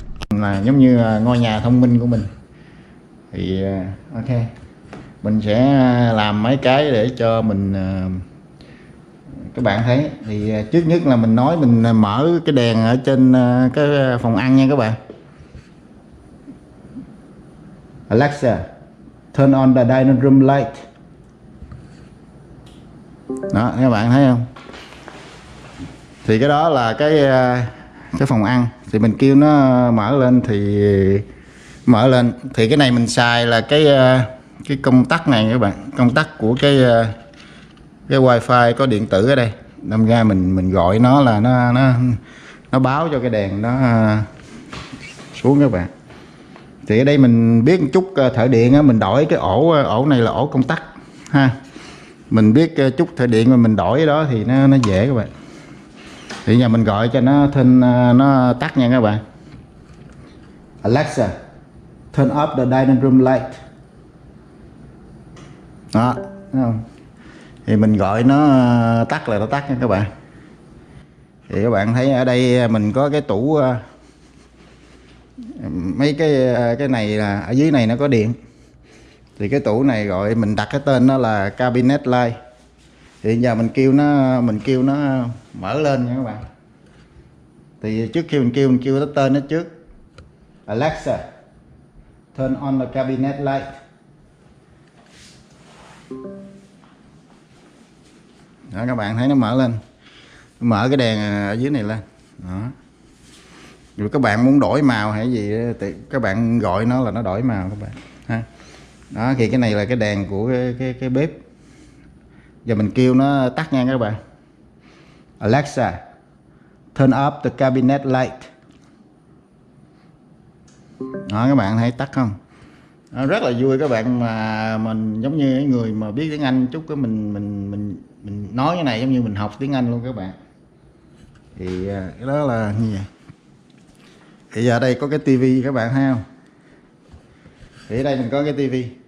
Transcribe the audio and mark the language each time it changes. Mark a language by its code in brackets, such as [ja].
[vi] Là giống như ngôi nhà thông minh của mình. Thì ok, mình sẽ làm mấy cái để cho mình các bạn thấy. Thì trước nhất là mình nói mình mở cái đèn ở trên cái phòng ăn nha các bạn. [en] Alexa, turn on the dining room light. [vi] Đó, các bạn thấy không? Thì cái đó là cái phòng ăn. Thì mình kêu nó mở lên thì mở lên. Thì cái này mình xài là cái công tắc này các bạn. Công tắc của cái wifi có điện tử ở đây. Đâm ra mình gọi nó là nó báo cho cái đèn nó xuống các bạn. Thì ở đây mình biết một chút thợ điện á, mình đổi cái ổ này là ổ công tắc ha. Mình biết chút thợ điện mà mình đổi cái đó thì nó dễ các bạn. Thì giờ mình gọi cho nó thân nó tắt nha các bạn. [en] Alexa, turn off the dining room light. [vi] Đó, thấy không? Thì mình gọi nó tắt là nó tắt nha các bạn. Thì các bạn thấy ở đây mình có cái tủ mấy cái này là ở dưới này nó có điện. Thì cái tủ này gọi mình đặt cái tên nó là cabinet light. Thì giờ mình kêu nó mở lên nha các bạn. Thì trước khi mình kêu cái tên nó trước. [en] Alexa, turn on the cabinet light. [vi] Đó, các bạn thấy nó mở lên. Mở cái đèn ở dưới này lên. Đó. Rồi các bạn muốn đổi màu hay gì thì các bạn gọi nó là nó đổi màu các bạn ha. Đó, thì cái này là cái đèn của cái bếp. Giờ mình kêu nó tắt nha các bạn. [en] Alexa, turn off the cabinet light. [vi] Đó, các bạn thấy tắt không? Đó, rất là vui các bạn, mà mình giống như người mà biết tiếng Anh chút, cái mình nói cái này giống như mình học tiếng Anh luôn các bạn. Thì cái đó là như vậy. Thì giờ đây có cái tivi các bạn thấy không? Thì ở đây mình có cái tivi.